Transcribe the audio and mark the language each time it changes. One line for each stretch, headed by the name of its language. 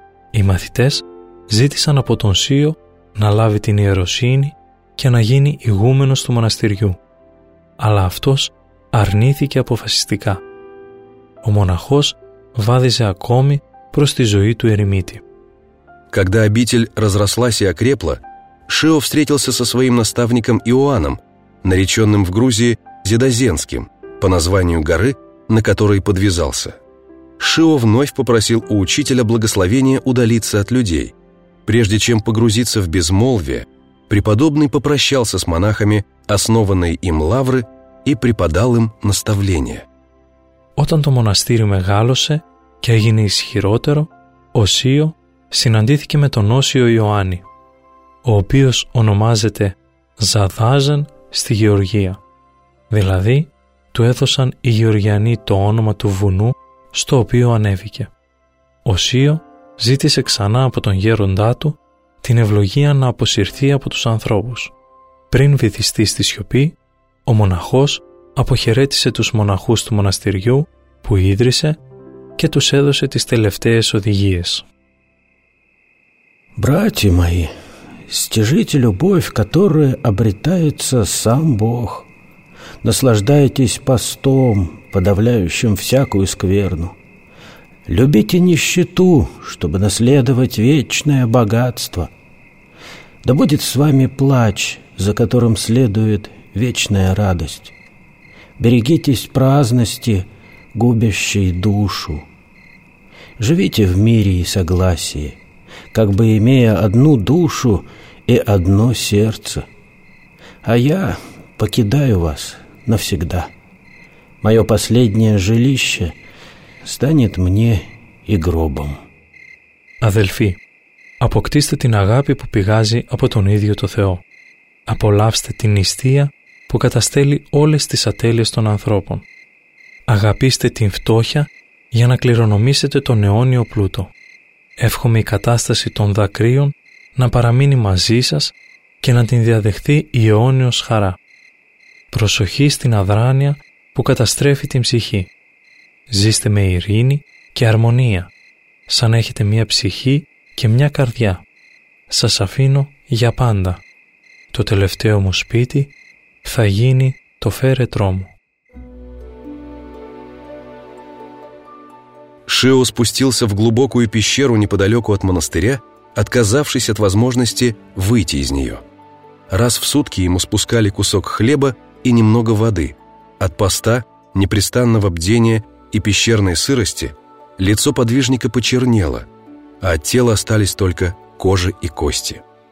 Greek: Οι μαθητές ζήτησαν από τον Σίο να λάβει την ιεροσύνη και να γίνει ηγούμενος του μοναστηριού, αλλά αυτός αρνήθηκε αποφασιστικά. Ο μοναχός βάδιζε ακόμη προς τη ζωή του ερημίτη.
Russian: Когда обитель разрослась и окрепла, Шио встретился со своим наставником Иоанном, нареченным в Грузии Зедозенским, по названию горы, на которой подвязался. Шио вновь попросил у учителя благословения удалиться от людей. Прежде чем погрузиться в безмолвие, преподобный попрощался с монахами, основанной им лавры, и преподал им наставление.
Greek: Όταν το μοναστήρι μεγάλωσε και έγινε ισχυρότερο, ο Σίο συναντήθηκε με τον Όσιο Ιωάννη, ο οποίος ονομάζεται Ζαδάζεν στη Γεωργία. Δηλαδή, του έδωσαν οι Γεωργιανοί το όνομα του βουνού στο οποίο ανέβηκε. Ο Σίο ζήτησε ξανά από τον γέροντά του την ευλογία να αποσυρθεί από τους ανθρώπους. Πριν βυθιστεί στη σιωπή, ο μοναχός αποχαιρέτησε τους μοναχούς του μοναστηριού που ίδρυσε και τους έδωσε τις τελευταίες οδηγίες.
Russian: «Братья мои, стяжите любовь, которая обретается сам Бог. Наслаждайтесь постом, подавляющим всякую скверну. Любите нищету, чтобы наследовать вечное богатство. Да будет с вами плач, за которым следует вечная радость. Берегитесь праздности, губящей душу. Живите в мире и согласии, как бы имея одну душу и одно сердце. А я покидаю вас навсегда. Мое последнее жилище станет мне и гробом».
Greek: Αδελφοί, αποκτήστε την αγάπη που πηγάζει από τον ίδιο το Θεό. Απολαύστε την νηστεία που καταστέλει όλες τις ατέλειες των ανθρώπων. Αγαπήστε την φτώχεια για να κληρονομήσετε τον αιώνιο πλούτο. Εύχομαι η κατάσταση των δακρύων να παραμείνει μαζί σας και να την διαδεχθεί η αιώνιος χαρά. Προσοχή στην αδράνεια που καταστρέφει την ψυχή. Ζήστε με ειρήνη και αρμονία, σαν να έχετε μία ψυχή και μία καρδιά. Σας αφήνω για πάντα. Το τελευταίο μου σπίτι θα γίνει το φέρετρό μου.
Russian: Шио спустился в глубокую пещеру неподалеку от монастыря, отказавшись от возможности выйти из нее. Раз в сутки ему спускали кусок хлеба и немного воды. От поста, непрестанного бдения и пещерной сырости лицо подвижника почернело, а от тела остались только кожа и кости.